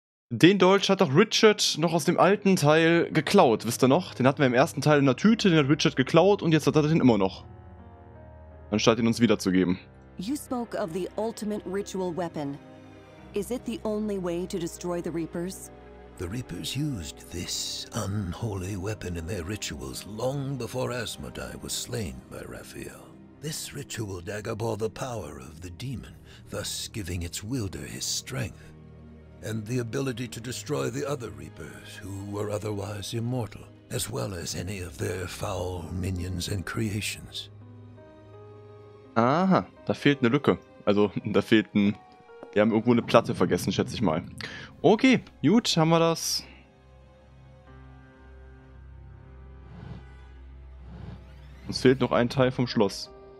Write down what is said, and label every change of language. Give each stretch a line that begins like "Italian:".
German: Den Dolch hat doch Richard noch aus dem alten Teil geklaut, wisst ihr noch? Den hatten wir im ersten Teil in der Tüte, den hat Richard geklaut und jetzt hat er den immer noch. Anstatt ihn uns wiederzugeben.
English: You spoke of the ultimate ritual weapon. Is it the only way to destroy the Reapers? The Reapers used this unholy weapon in their rituals long before Asmodai was slain by Raphael. This ritual dagger bore the power of the demon, thus giving its wielder his strength and the ability to destroy the other Reapers who were otherwise immortal, as well as any of their foul minions and creations.
German: Aha, da fehlt eine Lücke. Also, da fehlt ein... Wir haben irgendwo eine Platte vergessen, schätze ich mal. Okay, gut, haben wir das. Uns fehlt noch ein Teil vom Schloss.